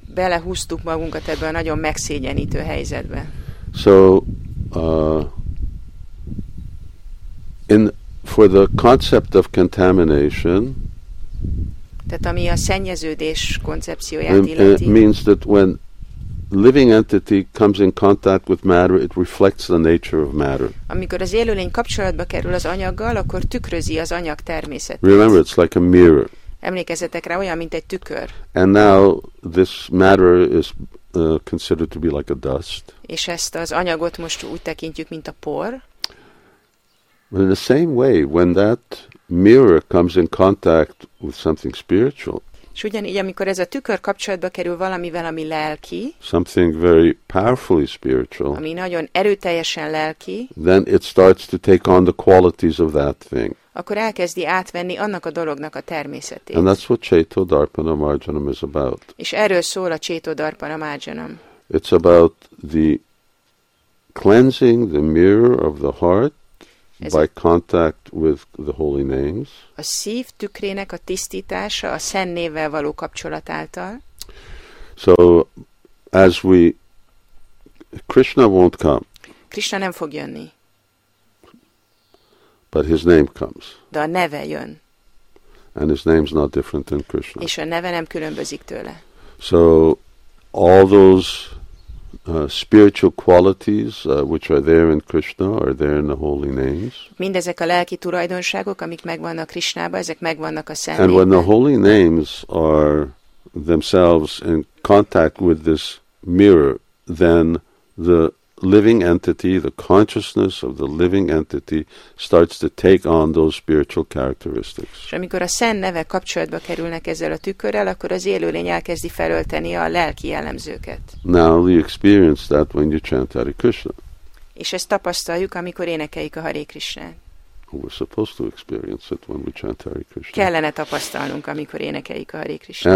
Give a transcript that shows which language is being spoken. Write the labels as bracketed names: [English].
[Hungarian] Belehúztuk magunkat ebbe a nagyon megszégyenítő helyzetbe. [English] So, for the concept of contamination, [Hungarian] tehát ami a szennyeződés koncepcióját illeti. [English] It means that when living entity comes in contact with matter, it reflects the nature of matter. [Hungarian] Amikor az élőlény kapcsolatba kerül az anyaggal, akkor tükrözi az anyag természetét. [English] Remember, it's like a mirror. [Hungarian] Emlékezzetek rá, olyan, mint egy tükör. [English] And now this matter is considered to be like a dust. [Hungarian] És ezt az anyagot most úgy tekintjük, mint a por. [English] But in the same way, when that mirror comes in contact with something spiritual. [Hungarian] És ugyanígy, amikor ez a tükör kapcsolatba kerül valamivel, ami lelki. [English] Something very powerfully spiritual. [Hungarian] Ami nagyon erőteljesen lelki. [English] Then it starts to take on the qualities of that thing. [Hungarian] Akkor elkezdi átvenni annak a dolognak a természetét. [English] And that's what Ceto Darpanam Arjanam is about. [Hungarian] És erről szól a Ceto Darpanam Arjanam. [English] It's about the cleansing the mirror of the heart. By contact with the holy names. [Hungarian] A szív tükrének a tisztítása a szent névvel való kapcsolat által. [English] So as we Krishna won't come. [Hungarian] Krishna nem fog jönni. [English] But his name comes. [Hungarian] De a neve jön. [English] And his name's not different than Krishna. [Hungarian] És a neve nem különbözik tőle. [English] So all those spiritual qualities which are there in Krishna are there in the holy names. [Hungarian] Mindezek a lelki tulajdonságok, amik megvannak Krishnában, ezek megvannak a szent. [English] And when the holy names are themselves in contact with this mirror, then the living entity, the consciousness of the living entity starts to take on those spiritual characteristics. [Hungarian] És amikor a szent nevek kapcsolatba kerülnek ezzel a tükörrel, akkor az élőlény elkezdi felölteni a lelki jellemzőket. [English] Now you experience that when you chant Hare Krishna. [Hungarian] És ezt tapasztaljuk, amikor énekeljük a Hare Krishna. [English] We're supposed to experience it when we chant Hare Krishna. [Hungarian] Kellene tapasztalnunk, amikor énekeljük a Hare Krishna.